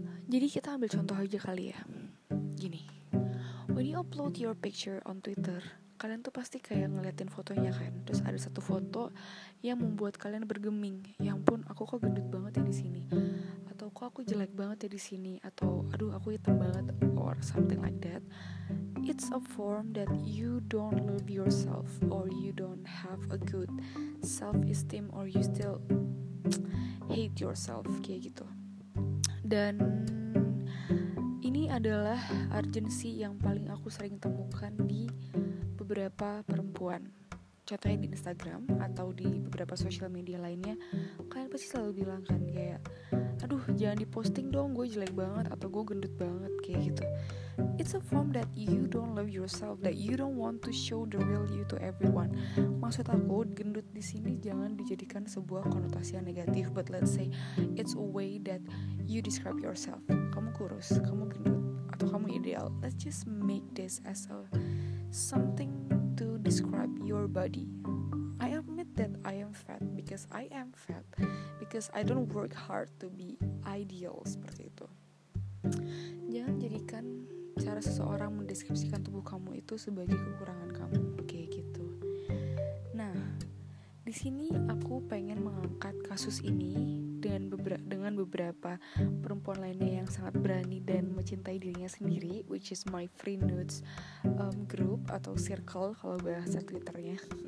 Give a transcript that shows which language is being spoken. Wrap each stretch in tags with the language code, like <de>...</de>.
<id>Jadi kita ambil contoh aja kali ya. Gini,</id> <en>when you upload your picture on Twitter,</en> <id>kalian tuh pasti kayak ngeliatin fotonya kan. Terus ada satu foto yang membuat kalian bergeming. Ya ampun, aku kok gendut banget ya di sini. Atau kok aku jelek banget ya di sini. Atau aduh, aku hitam banget</id> <en>or something like that. It's a form that you don't love yourself or you don't have a good self-esteem or you still hate yourself</en> <id>kayak gitu. Dan ini adalah urgency yang paling aku sering temukan di beberapa perempuan. Contohnya di Instagram atau di beberapa sosial media lainnya, kalian pasti selalu bilang kan kayak, aduh jangan diposting dong, gue jelek banget atau gue gendut banget kayak gitu.</id> <en>It's a form that you don't love yourself, that you don't want to show the real you to everyone.</en> <id>Maksud aku gendut di sini jangan dijadikan sebuah konotasi yang negatif,</id> <en>but let's say it's a way that you describe yourself.</en> <id>Kamu kurus, kamu gendut, atau kamu ideal.</id> <en>Let's just make this as a something to describe your body. I admit that I am fat because I am fat because I don't work hard to be ideal</en> <id>seperti itu. Jangan jadikan cara seseorang mendeskripsikan tubuh kamu itu sebagai kekurangan kamu kayak gitu. Nah, di sini aku pengen mengangkat kasus ini dengan beberapa perempuan lainnya yang sangat berani dan mencintai dirinya sendiri,</id> <en>which is my free notes group</en> <id>atau circle kalau bahasa Twitternya.</id>